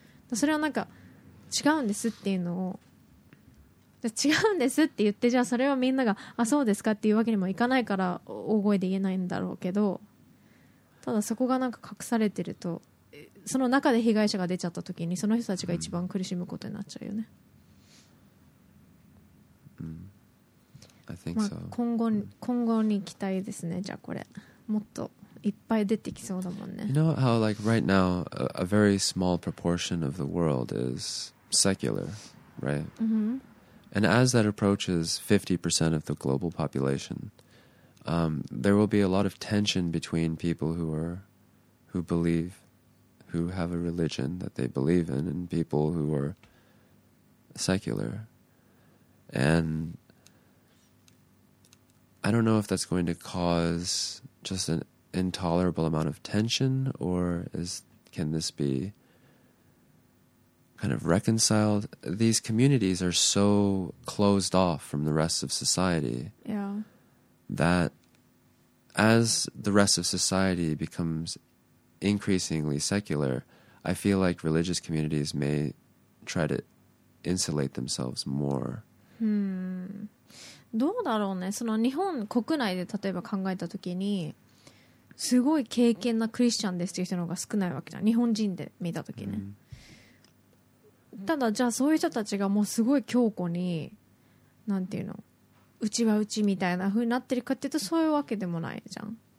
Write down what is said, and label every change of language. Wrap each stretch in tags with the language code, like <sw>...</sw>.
<ja>だそれはなんか違うんですっていうのを、違うんですって言って、じゃあそれはみんながあそうですかっていうわけにもいかないから大声で言えないんだろうけど、ただそこがなんか隠されてると、その中で被害者が出ちゃった時にその人たちが一番苦しむことになっちゃうよね。</ja> <en>I think so.</en> <ja>今後に期待ですね。じゃあこれもっといっぱい出てきそうだもんね。</ja> <en>You know how like right now a very small proportion of the world is secular, right? Mm-hmm. And as that approaches 50% of the global population, there will be a lot of tension between people who believe who have a religion that they believe in and people who are secular. And I don't know if that's going to cause just an intolerable amount of tension, or can this be kind of reconciled? These communities are so closed off from the rest of society, yeah, that as the rest of society becomes increasingly secular, I feel like religious communities may try to insulate themselves more.</en> <ja>どうだろうね。その日本国内で例えば考えた時に、すごい敬虔なクリスチャンですっていう人の方が少ないわけじゃん、日本人で見た時ね。ただじゃあそういう人たちがもうすごい強固に、なんていうの、うちはうちみたいな風になってるかっていうと、そういうわけでもないじゃん。</ja>